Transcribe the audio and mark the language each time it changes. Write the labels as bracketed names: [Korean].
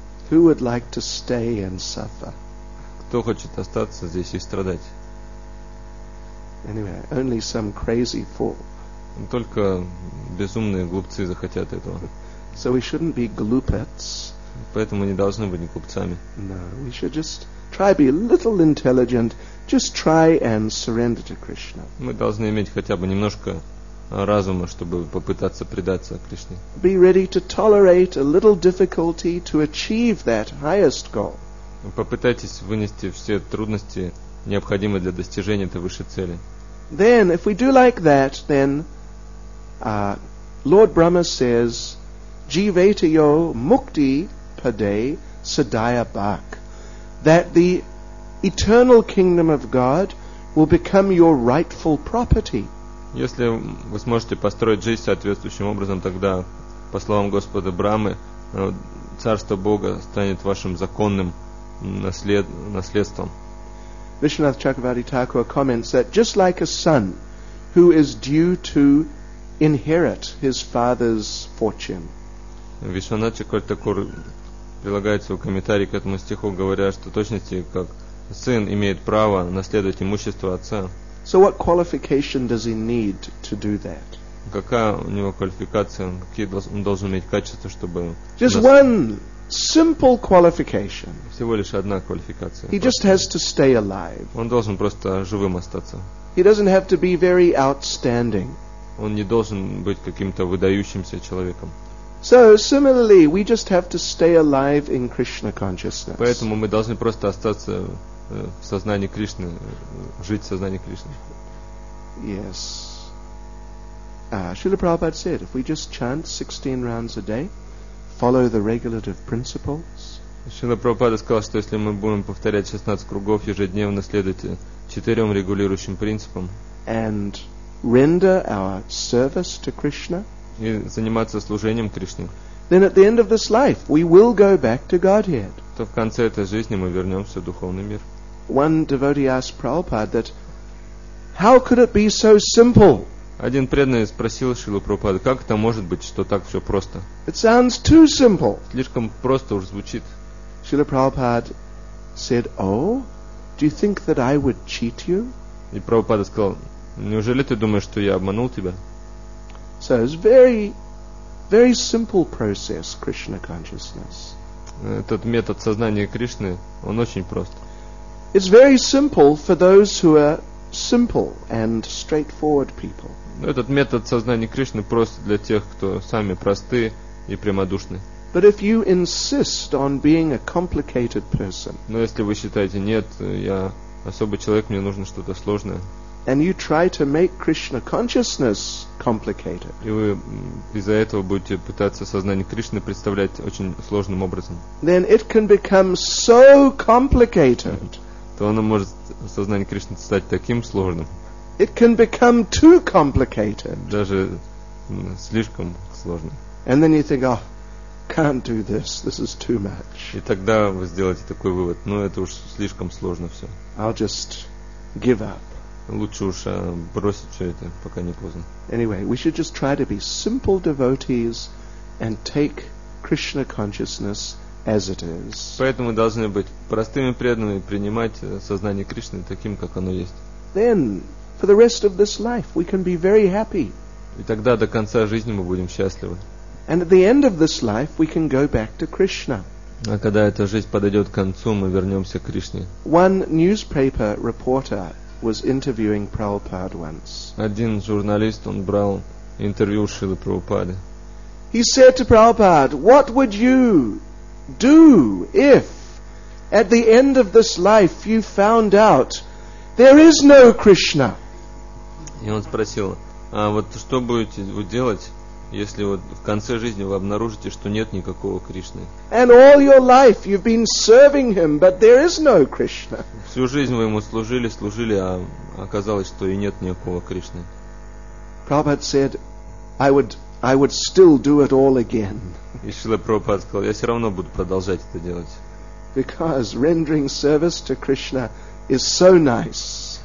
[English] Who would like to stay and suffer? [Russian] Кто хочет остаться здесь и страдать? [English] Anyway, only some crazy fool. [Russian] Только безумные глупцы захотят этого. [English] So we shouldn't be glupets. [Russian] Поэтому не должны быть глупцами. [English] No, we should just try be a little intelligent. Just try and surrender to Krishna. [Russian] Мы должны иметь хотя бы немножко разума, чтобы попытаться предаться Кришне. [English] Be ready to tolerate a little difficulty to achieve that highest goal. [Russian] Попытайтесь вынести все трудности, необходимые для достижения этой высшей цели. [English] Then, if we do like that, then Lord Brahma says, [Sanskrit] Jivetayo Mukti Pade Sadaya Bhak, [English] that the eternal kingdom of God will become your rightful property. [Russian] Если вы сможете построить жизнь соответствующим образом, тогда, по словам Господа Брамы, царство Бога станет вашим законным наследством. [English] Vishwanath Chakravarti Thakur comments that just like a son who is due to inherit his father's fortune. [Russian] Vishwanath Chakravarti Thakur прилагает свой комментарий к этому стиху, говоря, что точности как сын имеет право наследовать имущество отца. [English] So what qualification does he need to do that? [Russian] Какая у него квалификация? Какие он должен иметь качества, чтобы [English] just one simple qualification. [Russian] Всего лишь одна квалификация. [English] He just has to stay alive. [Russian] Он должен просто живым остаться. [English] He doesn't have to be very outstanding. [Russian] Он не должен быть каким-то выдающимся человеком. [English] So similarly, we just have to stay alive in Krishna consciousness. [Russian] Поэтому мы должны просто остаться в сознании Кришны, жить в сознании Кришны. [English] Yes. Srila Prabhupada said, if we just chant 16 rounds a day, follow the regulative principles. [Russian] Srila Prabhupada сказал, что если мы будем повторять 16 кругов ежедневно, следуйте четырем регулирующим принципам. [English] And render our service to Krishna. [Russian] И заниматься служением Кришне. [English] Then at the end of this life, we will go back to Godhead. [Russian] То в конце этой жизни мы вернемся в духовный мир. [English] One devotee asked Prabhupada that, how could it be so simple? [Russian] Один преданный спросил Шрилу Прабхупаду, как это может быть, что так все просто? [English] It sounds too simple. [Russian] Слишком просто уж звучит. [English] Шрила Прабхупад said, oh, do you think that I would cheat you? [Russian] И Прабхупада сказал, неужели ты думаешь, что я обманул тебя? [English] So it's very, very simple process, Krishna consciousness. [Russian] Этот метод сознания Кришны, он очень прост. [English] It's very simple for those who are simple and straightforward people. [Russian] Этот метод сознания Кришны прост для тех, кто сами просты и прямодушны. [English] But if you insist on being a complicated person, [Russian] но если вы считаете, нет, я особый человек, мне нужно что-то сложное, [English] and you try to make Krishna consciousness complicated, [Russian] и вы из-за этого будете пытаться сознание Кришны представлять очень сложным образом, [English] then it can become so complicated. [Russian] То оно может сознание Кришны стать таким сложным. [English] It can become too complicated. [Russian] Даже слишком сложным. [English] And then you think, oh, can't do this. This is too much. [Russian] И тогда вы сделаете такой вывод: ну это уж слишком сложно все. [English] I'll just give up. [Russian] Лучше уж бросить все это, пока не поздно. [English] Anyway, we should just try to be simple devotees and take Krishna consciousness as it is. [Russian] Поэтому мы должны быть простыми преданными, принимать сознание Кришны таким, как оно есть. [English] Then, for the rest of this life, we can be very happy. [Russian] И тогда до конца жизни мы будем счастливы. [English] And at the end of this life, we can go back to Krishna. [Russian] А когда эта жизнь подойдет к концу, мы вернемся к Кришне. [English] One newspaper reporter was interviewing Prabhupada once. [Russian] Один журналист, он брал интервью у Шрилы Прабхупады. [English] He said to Prabhupada, "What would you do if at the end of this life you found out there is no Krishna?" [Russian] И он спросил, а вот что будете вы делать, если вот в конце жизни вы обнаружите, что нет никакого Кришны? [English] And all your life you've been serving him, but there is no Krishna. [Russian] Всю жизнь вы ему служили, служили, а оказалось, что и нет никакого Кришны. [English] Prabhupada said, I would still do it all again. [Russian] И Шрила Прабхупада сказал, я все равно буду продолжать это делать. [English] Because rendering service to Krishna is so nice.